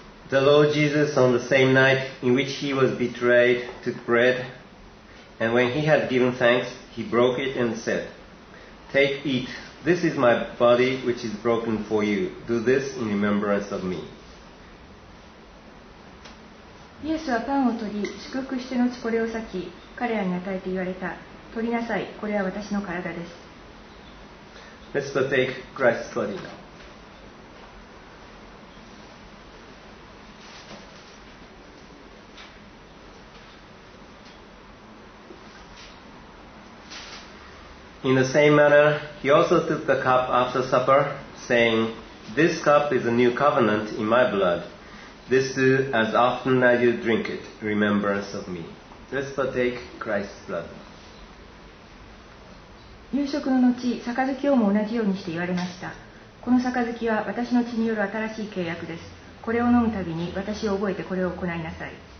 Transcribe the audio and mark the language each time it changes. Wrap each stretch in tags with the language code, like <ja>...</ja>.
<en>The Lord Jesus, on the same night in which he was betrayed, took bread, and when he had given thanks, he broke it and said, Take, eat. This is my body, which is broken for you. Do this in remembrance of me.</en> <ja>イエスはパンを取り、祝福して後これを裂き、彼らに与えて言われた。取りなさい、これは私の体です。</ja> <en>Let's partake Christ's body now. In the same manner, he also took the cup after supper, saying, This cup is a new covenant in my blood. This do as often as you drink it, remembrance of me. Let's partake Christ's blood.</en> <ja>夕食の後、杯をも同じようにして言われました。この杯は私の血による新しい契約です。これを飲むたびに私を覚えてこれを行いなさい。</ja>